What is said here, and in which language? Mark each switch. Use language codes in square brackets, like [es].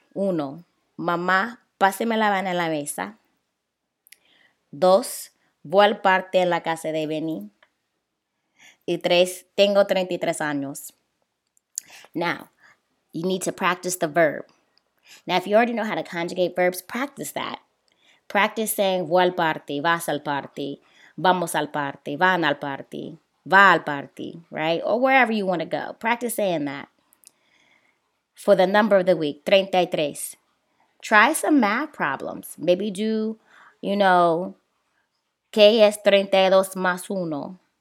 [es] Uno, mamá, páseme la vaina en la mesa. Dos, voy al parte en la casa de Benny. Y tres, tengo 33 años. [en] Now, you need to practice the verb. Now, if you already know how to conjugate verbs, practice that. [es] Practice saying, voy al parte, vas al parte, vamos al parte, van al parte, va al parte, right? [en] Or wherever you want to go. Practice saying that. For the number of the week, 33. Try some math problems. [es] Maybe do, you know, ¿qué es 32 más 1?